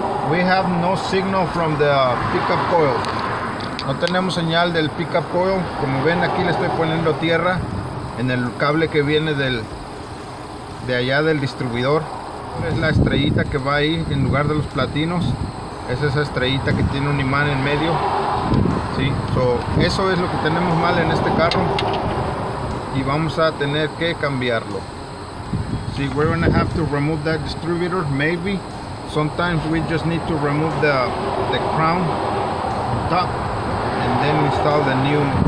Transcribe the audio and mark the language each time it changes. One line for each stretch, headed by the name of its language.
English: We have no signal from the pickup coil.
Spanish: No tenemos señal del pickup coil. Como ven, aquí le estoy poniendo tierra en el cable que viene del de allá del distribuidor. Es la estrellita que va ahí en lugar de los platinos. Es esa estrellita que tiene un imán en medio. Sí. So, eso es lo que tenemos mal en este carro y vamos a tener que cambiarlo.
English: Sí, we're gonna have to remove that distributor. Maybe sometimes we just need to remove the crown top and then install the new.